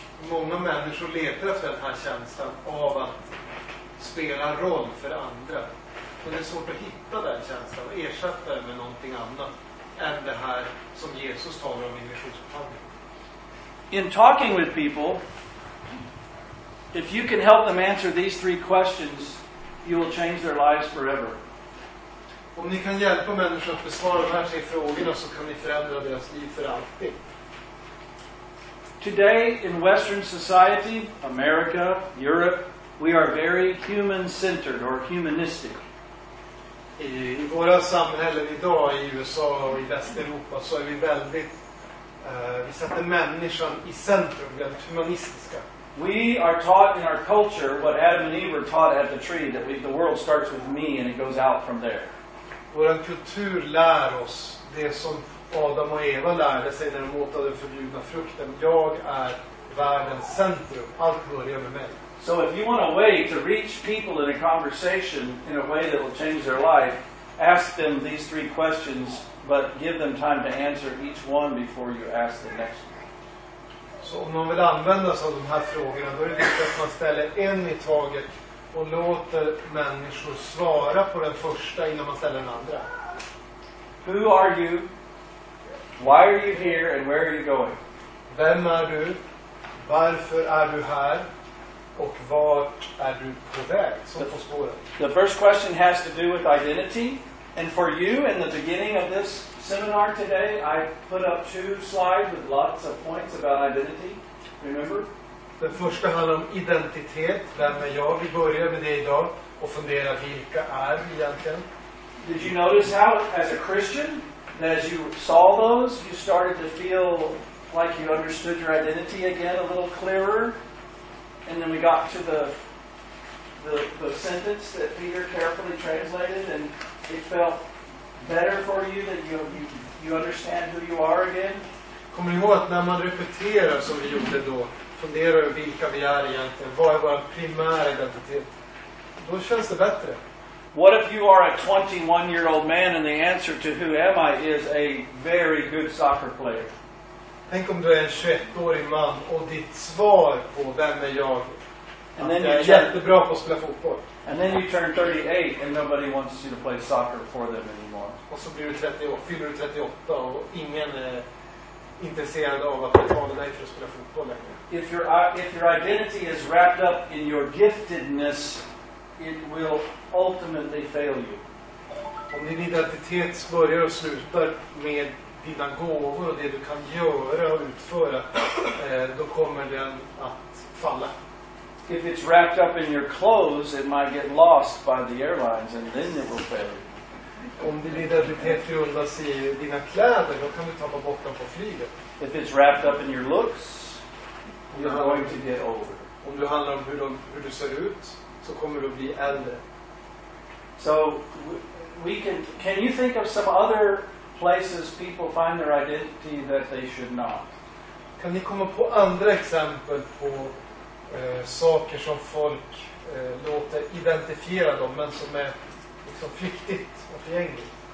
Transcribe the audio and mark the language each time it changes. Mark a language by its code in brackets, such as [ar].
[sv] Många människor letar efter den här känslan av att spela roll för andra. Men det är svårt att hitta den känslan och ersätta den med någonting annat än det här som Jesus talar om i missionsförfattningen. [en] In talking with people, if you can help them answer these three questions, you will change their lives forever. [sv] Om ni kan hjälpa människor att besvara de här tre frågorna så kan ni förändra deras liv för alltid. [en] Today in Western society, America, Europe, we are very human-centered or humanistic. [sv] I våra samhällen idag i USA och i Västeuropa så är vi väldigt, vi sätter människan i centrum, väldigt humanistiska. [en] We are taught in our culture what Adam and Eve were taught at the tree, that the world starts with me and it goes out from there. [sv] Vår kultur lär oss det som Adam och Eva lärde sig när de åt av den förbjudna frukten. Jag är världens centrum. Allt börjar med mig. [en] So if you want a way to reach people in a conversation in a way that will change their life, ask them these three questions, but give them time to answer each one before you ask the next one. [sv] Så om man vill använda sig av de här frågorna, då är det viktigt att man ställer en i taget och låter människor svara på den första innan man ställer den andra. [en] Who are you? Why are you here and where are you going? [sv] Vem är du? Varför är du här? Och vart är du på väg? Så på spåren. [en] The first question has to do with identity. And for you, in the beginning of this seminar today, I put up two slides with lots of points about identity. Remember? [sv] Den första handlar om identitet. Vem är jag? Vi börjar med det idag och funderar vilka är vi egentligen. [en] Did you notice how, as a Christian, that as you saw those, you started to feel like you understood your identity again a little clearer? And then we got to the sentence that Peter carefully translated, and it felt better for you that you understand who you are again. [sv] Kommer ihåg att när man repeterar som vi gjorde då, funderar över vilka vi är egentligen, vad är vår primära identitet, då känns det bättre. [en] What if you are a 21-year-old man and the answer to who am I is a very good soccer player? [sv] Tänk om du är en 21-årig man och ditt svar på vem är jag? [en] And then [sv] jag är jättebra på att spela fotboll. [en] And then you turn 38 and nobody wants you to play soccer for them anymore. [sv] Och så blir du 30 år, fyller du 38 och ingen är intresserad av att betala dig för att spela fotboll längre. [en] If your identity is wrapped up in your giftedness, it will ultimately fail you. [sv] Om din identitet börjar och slutar med dina gåvor och det du kan göra och utföra, då kommer den att falla. [en] If it's wrapped up in your clothes, it might get lost by the airlines and then it will fail. [sv] Om din identitet grundas i dina kläder, då kan du tappa bort dem på flyget. [en] If it's wrapped up in your looks, you're going to get older. [sv] Om du handlar om hur du ser ut, så kommer du bli äldre. [en] So we can you think of some other places people find their identity that they should not? [sv] Kan ni komma på andra exempel på saker som folk låter identifiera dem, men som är liksom flyktigt och förgängligt?